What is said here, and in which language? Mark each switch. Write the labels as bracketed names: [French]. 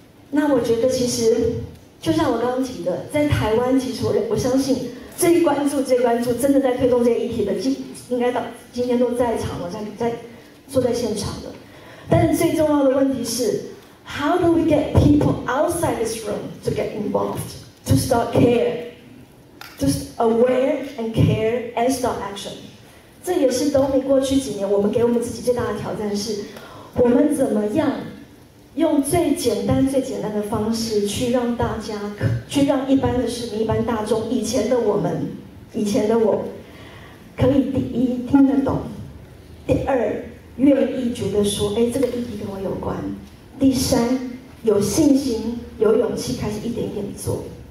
[Chinese] 那我觉得其实就像我刚刚提的，在台湾其实我相信最关注真的在推动这些议题的应该到今天都在场了，在坐在现场的。但是最重要的问题是 [English] How do we get people outside this room to get involved, to start care, to aware and care and start action? [Chinese] 这也是东尼过去几年我们给我们自己最大的挑战，是我们怎么样用最简单最简单的方式去让大家，去让一般的市民一般大众，以前的我们，以前的我可以第一听得懂，第二愿意觉得说哎，这个议题跟我有关，第三有信心有勇气开始一点一点做。